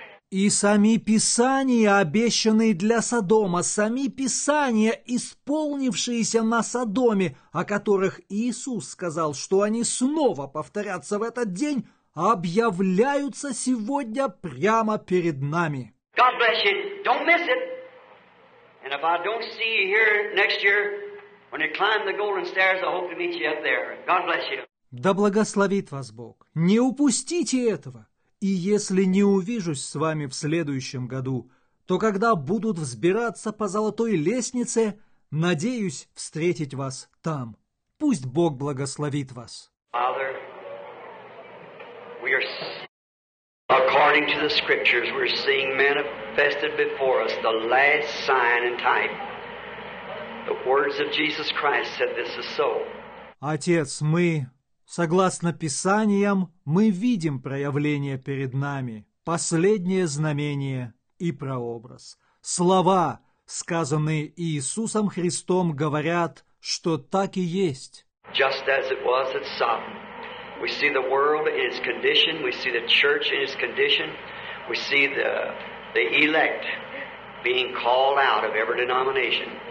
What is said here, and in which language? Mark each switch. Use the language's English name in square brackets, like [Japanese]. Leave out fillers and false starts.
[Russian] И сами Писания, обещанные для Содома, сами Писания, исполнившиеся на Содоме, о которых Иисус сказал, что они снова повторятся в этот день, объявляются сегодня прямо перед нами. [English] God bless you. Don't miss it. And if I don't see you here next year, when you climb the golden stairs, I hope to meet you up there. God bless you. [Russian] Да благословит вас Бог. Не упустите этого. И если не увижусь с вами в следующем году, то когда будут взбираться по золотой лестнице, надеюсь встретить вас там. Пусть Бог благословит вас. [English] Father, we are according to the scriptures, we're seeing manifested before us the last sign and type. The words of Jesus Christ said this is so. [Russian] Отец, мы, согласно Писаниям, мы видим проявление перед нами, последнее знамение и прообраз. Слова, сказанные Иисусом Христом, говорят, что так и есть. [English] Just as it was at Sodom. We see the world in its condition, we see the church in its condition, we see the elect being called out of every denomination.